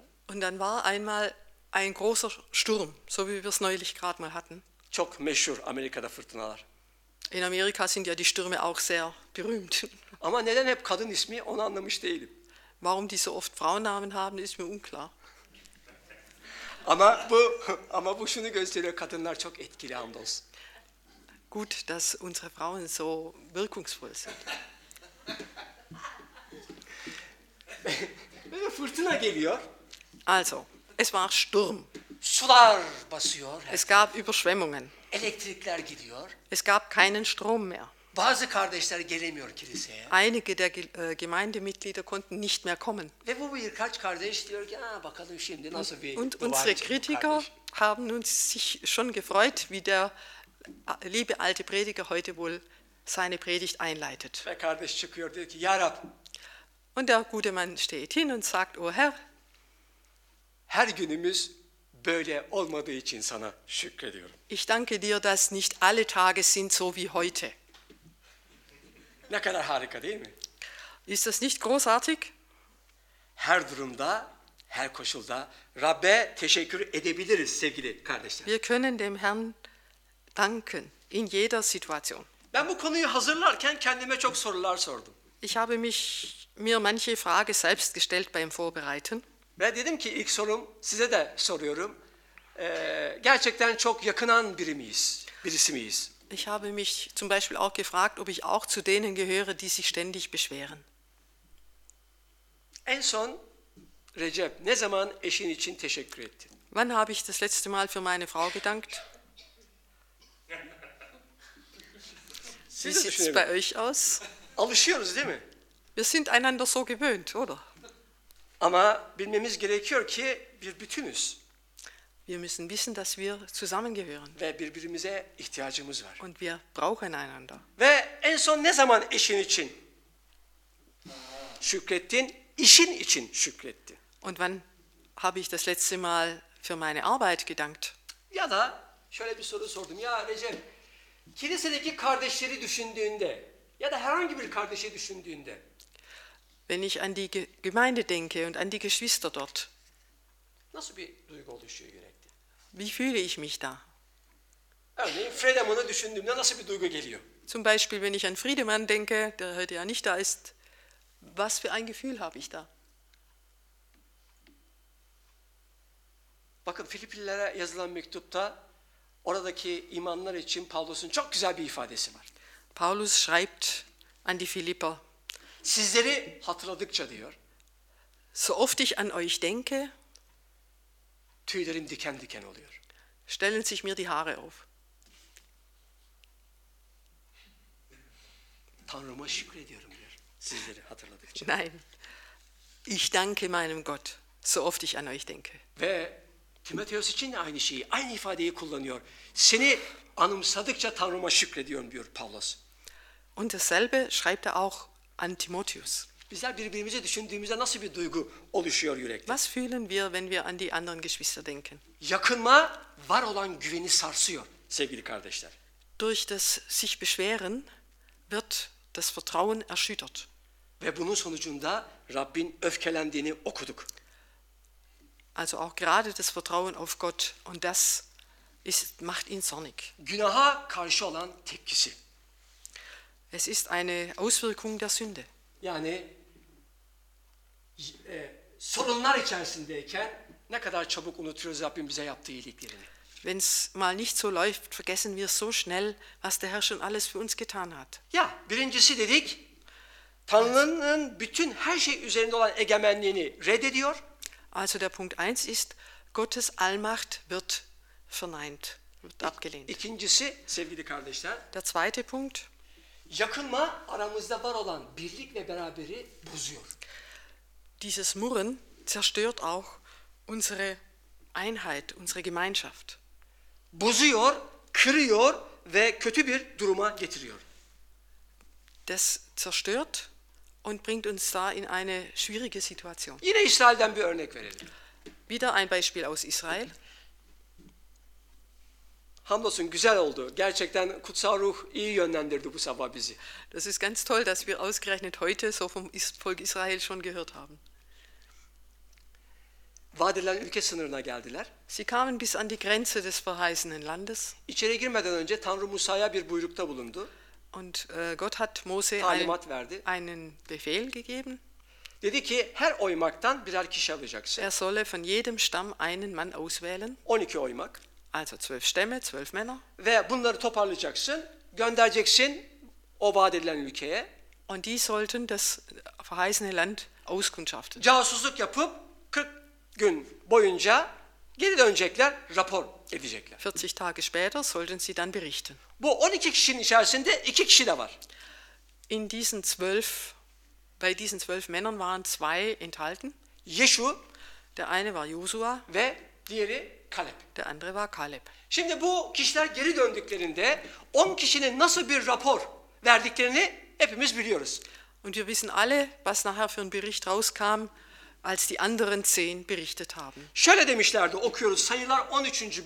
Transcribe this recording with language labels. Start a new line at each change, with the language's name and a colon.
German: Und dann war einmal ein großer Sturm, so wie wir es neulich gerade mal hatten.
Turkish: Çok meşhur Amerika'da fırtınalar.
German: In Amerika sind ja die Stürme auch sehr berühmt.
Turkish: Ama neden hep kadın ismi, onu anlamış değilim.
German: Warum die so oft Frauennamen haben, ist mir unklar.
Turkish: Ama bu şunu gösteriyor, kadınlar çok etkili, hamdolsun.
German: Gut, dass unsere Frauen so wirkungsvoll sind.
Turkish: Böyle fırtına geliyor.
German: Also, es war Sturm.
Turkish: Sular basıyor.
German: Es gab Überschwemmungen.
Turkish: Elektrikler gidiyor.
German: Es gab keinen Strom mehr.
Turkish: Bazı kardeşler gelemiyor kiliseye.
German: Einige der Gemeindemitglieder konnten nicht mehr kommen.
Turkish: Ve bu birkaç kardeş diyor ki, bakalım şimdi nasıl bir...
German: Und unsere Kritiker haben uns sich schon gefreut, wie der liebe alte Prediger heute wohl seine Predigt einleitet.
Turkish: Ve kardeş çıkıyor, diyor ki, ya Rab.
German: Und der gute Mann steht hin und sagt, oh Herr,
Turkish: her günümüz böyle olmadığı için sana şükrediyorum.
German: Ich danke dir, dass nicht alle Tage sind so wie heute.
Turkish: Ne kadar harika, değil mi?
German: Ist das nicht großartig?
Turkish: Her durumda, her koşulda Rabbe teşekkür edebiliriz sevgili kardeşler.
German: Wir können dem Herrn danken in jeder Situation.
Turkish: Ben bu konuyu hazırlarken kendime çok sorular sordum.
German: Ich habe mir manche Frage selbst gestellt beim Vorbereiten.
Turkish: Ve dedim ki ilk sorum size de soruyorum. Gerçekten çok yakınan biri miyiz? Birisi miyiz?
German: Ich habe mich zum Beispiel auch gefragt, ob ich auch zu denen gehöre, die sich ständig beschweren.
Turkish: En son Recep, ne zaman eşin için teşekkür ettin?
German: Wann habe ich das letzte Mal für meine Frau gedankt? Wie sieht es bei euch aus?
Turkish: Alışıyoruz, değil mi?
German: Wir sind einander so gewöhnt, oder?
Turkish: Ama bilmemiz gerekiyor ki bir bütünüz.
German: Wir müssen wissen, dass wir zusammengehören.
Turkish: Ve birbirimize ihtiyacımız var.
German: Und wir brauchen einander.
Turkish: Ve en son ne zaman eşin için şükrettin? İşin için şükrettin.
German: Und wann habe ich das letzte Mal für meine Arbeit gedankt?
Turkish: Ya da şöyle bir soru sordum. Ya Recep, kilisedeki kardeşleri düşündüğünde ya da herhangi bir kardeşi düşündüğünde.
German: Wenn ich an die Gemeinde denke und an die Geschwister dort.
Turkish: Nasıl bir duygu oluşuyor yürekte?
German: Wie fühle ich mich da?
Turkish: Örneğin Friedemann'ı düşündüğümde nasıl bir duygu geliyor?
German: Zum Beispiel, wenn ich an Friedemann denke, der heute ja nicht da ist, was für ein Gefühl habe ich da?
Turkish: Bakın Filipililere yazılan mektupta oradaki imanlar için Paulus'un çok güzel bir ifadesi var.
German: Paulus schreibt an die Philipper.
Turkish: Sizleri hatırladıkça diyor.
German: So oft ich an euch denke,
Turkish: tüylerim diken diken oluyor.
German: Stellen sich mir die Haare auf.
Turkish: Tanrıma şükür ediyorum diyor. Sizleri hatırladıkça.
German: Nein. Ich danke meinem Gott, so oft ich an euch denke.
Turkish: Ve Timoteus için de aynı şeyi, aynı ifadeyi kullanıyor. Seni anımsadıkça Tanrıma şükrediyorum diyor Paulus.
German: Und dasselbe schreibt er auch an Timotheus.
Turkish: Bizler birbirimizi düşündüğümüzde nasıl bir duygu oluşuyor yürekte?
German: Was fühlen wir, wenn wir an die anderen Geschwister denken?
Turkish: Yakınma var olan güveni sarsıyor sevgili kardeşler.
German: Durch das sich beschweren wird das Vertrauen erschüttert.
Turkish: Ve bunun sonucunda Rabbin öfkelendiğini okuduk.
German: Also auch gerade das Vertrauen auf Gott und das ist, macht ihn zornig.
Turkish: Günaha karşı olan tepkisi.
German: Es ist eine Auswirkung der Sünde.
Turkish: Yani sorunlar içerisindeyken ne kadar çabuk unutuyoruz Rabbin bize yaptığı iyiliklerini.
German: Wenn es mal nicht so läuft, vergessen wir so schnell, was der Herr schon alles für uns getan hat.
Turkish: Ja, birincisi dedik, Tanrı'nın bütün her şey üzerinde olan egemenliğini reddediyor.
German: Also der Punkt 1 ist, Gottes Allmacht wird verneint, wird abgelehnt.
Turkish: İkincisi, sevgili kardeşler.
German: Der zweite Punkt.
Turkish: Yakınma aramızda var olan birlik ve beraberi bozuyor.
German: Dieses Murren zerstört auch unsere Einheit, unsere Gemeinschaft.
Turkish: Bozuyor, kırıyor ve kötü bir duruma getiriyor.
German: Das zerstört und bringt uns da in eine schwierige Situation.
Turkish: Yine İsrail'den bir örnek verelim.
German: Wieder ein Beispiel aus Israel.
Turkish: Hamdolsun güzel oldu. Gerçekten Kutsal Ruh iyi yönlendirdi bu sabah bizi.
German: Das ist ganz toll, dass wir ausgerechnet heute so vom Volk Israel schon gehört haben.
Turkish: Vadilen ülke sınırına geldiler.
German: Sie kamen bis an die Grenze des verheißenen Landes.
Turkish: İçeri girmeden önce Tanrı Musa'ya bir buyrukta bulundu.
German: Und Gott hat Mose einen Befehl gegeben.
Turkish: Dedi ki her oymaktan birer kişi alacaksın.
German: Er solle von jedem Stamm einen Mann auswählen.
Turkish: 12 oymak.
German: Also 12 Stämme, 12 Männer.
Turkish: Ve bunları toparlayacaksın, göndereceksin o vaat edilen ülkeye.
German: Und die sollten das verheißene Land auskundschaften.
Turkish: Casusluk yapıp 40 gün boyunca geri dönecekler, rapor edecekler.
German: 40 Tage später sollten sie dann berichten.
Turkish: Bu 12 kişinin içerisinde 2 kişi de var.
German: In diesen 12 bei diesen 12 Männern waren zwei enthalten.
Turkish: Yeşua,
German: der eine war Josua
Turkish: ve diğeri Kaleb.
German: Der andere war Kaleb.
Turkish: Şimdi bu kişiler geri döndüklerinde 10 kişinin nasıl bir rapor verdiklerini hepimiz biliyoruz.
German: Und wir wissen alle, was nachher für ein Bericht rauskam, als die anderen 10 berichtet haben.
Turkish: Şöyle demişlerdi, okuyoruz Sayılar 13.